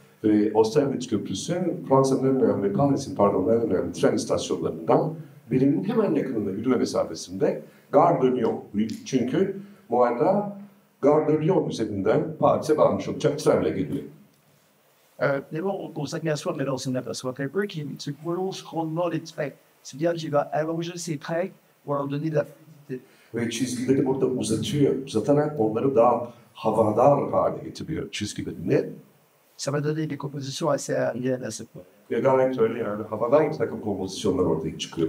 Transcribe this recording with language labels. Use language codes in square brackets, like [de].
[tr] Ve Austerlitz Köprüsü Fransa'nın ve Paris'in tren istasyonlarından birinin hemen yakınında yürüme mesafesinde gar dönüyor. Çünkü Bu arada Gare de Lyon üzerinden Paris'e varmış olacak trenle geliyor. [fr] D'abord, on constate qu'il y a soit, mais là, on s'en aperçoit un peu, qu'il se prolonge grandement les traits. C'est-à-dire qu'il va allonger ses traits pour leur donner de la fluidité. [tr] Ve çizgileri burada uzatıyor, uzatarak onları daha havadar hale getiriyor çizgilerini. [fr] Ça va donner des compositions assez aériennes à ce point. [tr] Ve gayet öyle yani, havadar bir takım kompozisyonlar ortaya çıkıyor.